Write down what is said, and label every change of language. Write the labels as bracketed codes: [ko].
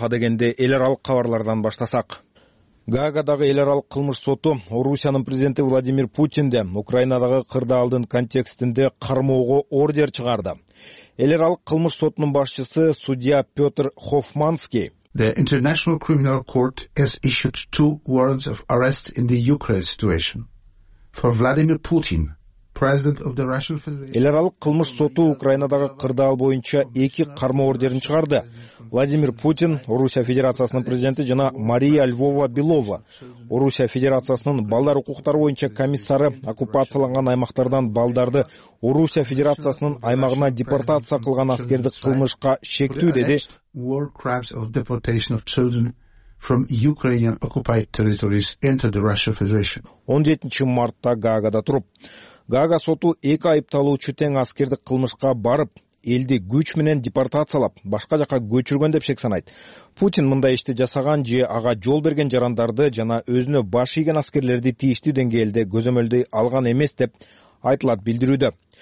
[ky] Адегенде эл аралык кабарлардан баштасак. Гаагадагы эл аралык кылмыш соту Орусиянын президенти Владимир Путинди Украинадагы кырдаалдын контекстинде кармоого ордер чыгарды. Эл аралык кылмыш сотунун башчысы судья Петр Хофманский. [en] The International Criminal Court has issued two warrants of arrest in the Ukraine situation for Vladimir Putin. [ky] Эл аралык кылмыш соту Украинадагы кырдаал боюнча эки кармоо ордерин чыгарды. Владимир Путин, Орусия Федерациясынын президенти жана Мария Львова Белова, Орусия Федерациясынын балдар укуктары боюнча комиссары оккупацияланган аймактардан балдарды Орусия Федерациясынын аймагына депортация кылган аскердик кылмышка шектүү деди. [en] War crimes of deportation of children from Ukrainian occupied territories into the Russian Federation. [ky] 17 мартта Гаагада туруп. Гаага соту эки айыпталуучу тең аскердик кылмышка барып, элди күч менен депортациялап, башка жака көчүргөн деп шек санайт. Путин мындай ишти жасаган же ага жол берген жарандарды жана өзүнө баш ийген аскерлерди тийиштүү деңгээлде көзөмөлдөй алган эмес деп айтылат билдирүүдө.